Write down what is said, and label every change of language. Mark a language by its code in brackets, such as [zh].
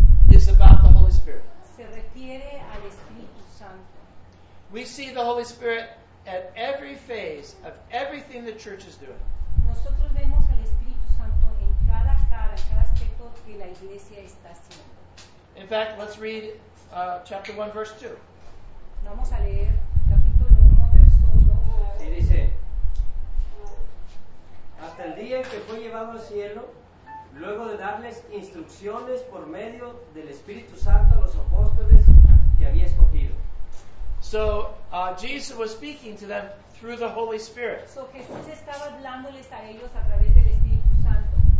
[en] is about the Holy Spirit. [es] Se refiere al Espíritu Santo. [en] We see the Holy Spirit at every phase of everything the church is doing. [es] Nosotros vemos al Espíritu Santo en cada cara, cada aspecto que la iglesia está haciendo. [en] In fact, let's read chapter 1, verse 2. [es] Vamos a leer capítulo 1, verso 2. Y dice, hasta el día en que fue llevado al cielo, luego de darles instrucciones por medio del Espíritu Santo a los apóstoles que había escogido. [en] So Jesus was speaking to them through the Holy Spirit. [es] So Jesús estaba hablándoles a ellos a través del Espíritu Santo.